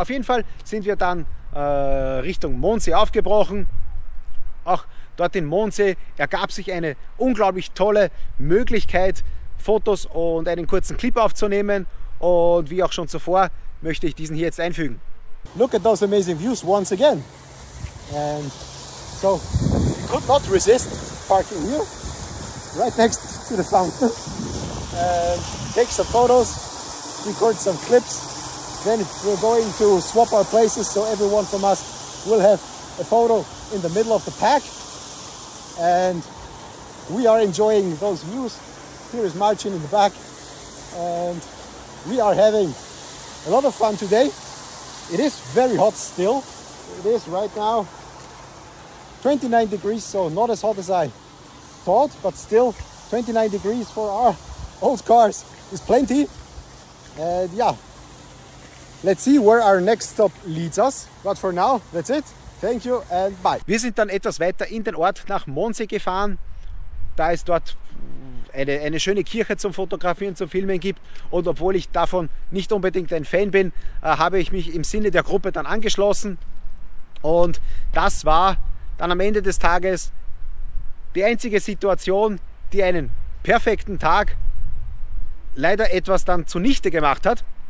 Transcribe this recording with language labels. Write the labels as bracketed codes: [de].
[de] Auf jeden Fall sind wir dann Richtung Mondsee aufgebrochen. Auch dort in Mondsee ergab sich eine unglaublich tolle Möglichkeit, Fotos und einen kurzen Clip aufzunehmen. Und wie auch schon zuvor, möchte ich diesen hier jetzt einfügen. [en] Look at those amazing views once again. And so, we could not resist parking here, right next to the fountain. And take some photos, record some clips. Then we're going to swap our places so everyone from us will have a photo in the middle of the pack. And we are enjoying those views. Here is Martin in the back. And we are having a lot of fun today. It is very hot still. It is right now 29 degrees, so not as hot as I thought, but still 29 degrees for our old cars is plenty. And yeah, let's see where our next stop leads us. But for now, that's it. Thank you and bye. [de] Wir sind dann etwas weiter in den Ort nach Mondsee gefahren. Da ist dort eine schöne Kirche zum Fotografieren, zum Filmen gibt. Und obwohl ich davon nicht unbedingt ein Fan bin, habe ich mich im Sinne der Gruppe dann angeschlossen. Und das war dann am Ende des Tages die einzige Situation, die einen perfekten Tag leider etwas dann zunichte gemacht hat.